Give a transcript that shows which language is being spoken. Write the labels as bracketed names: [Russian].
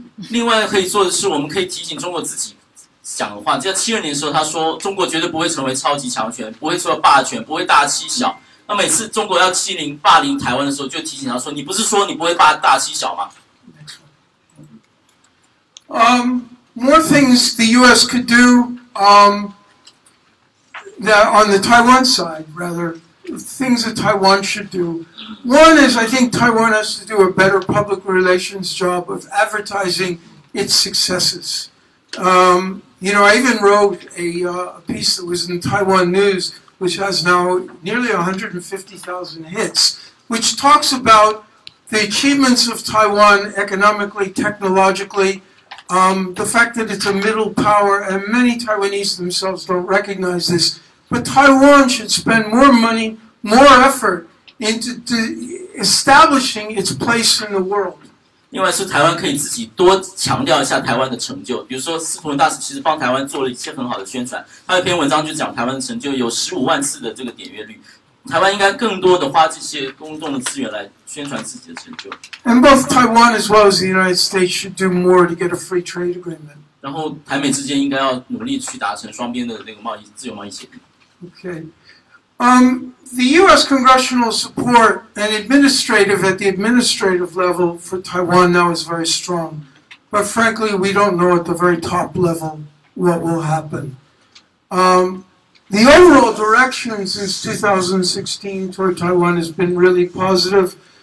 [Chinese] 另外可以做的是，我们可以提醒中国自己讲的话。在七二年的时候，他说中国绝对不会成为超级强权，不会做霸权，不会大欺小。那每次中国要欺凌、霸凌台湾的时候，就提醒他说：“你不是说你不会大欺小吗？” [English] More things the U.S. could do that on the Taiwan side, rather things that Taiwan should do. One is, I think Taiwan has to do a better public relations job of advertising its successes. You know, I even wrote a piece that was in Taiwan News, which has now nearly 150,000 hits, which talks about the achievements of Taiwan economically, technologically, the fact that it's a middle power, and many Taiwanese themselves don't recognize this. But Taiwan should spend more money, more effort into establishing its place in the world. [Chinese] 另外是台湾可以自己多强调一下台湾的成就，比如说斯普伦大使其实帮台湾做了一些很好的宣传，他有篇文章就讲台湾的成就有150,000次的这个点阅率，台湾应该更多的花这些公众的资源来宣传自己的成就。 [English] And both Taiwan as well as the United States should do more to get a free trade agreement. [Chinese] 然后台美之间应该要努力去达成双边的那个贸易自由贸易协定。 [English] Okay. The U.S. congressional support and administrative at the administrative level for Taiwan now is very strong. But frankly, we don't know at the very top level what will happen. The overall direction since 2016 toward Taiwan has been really positive.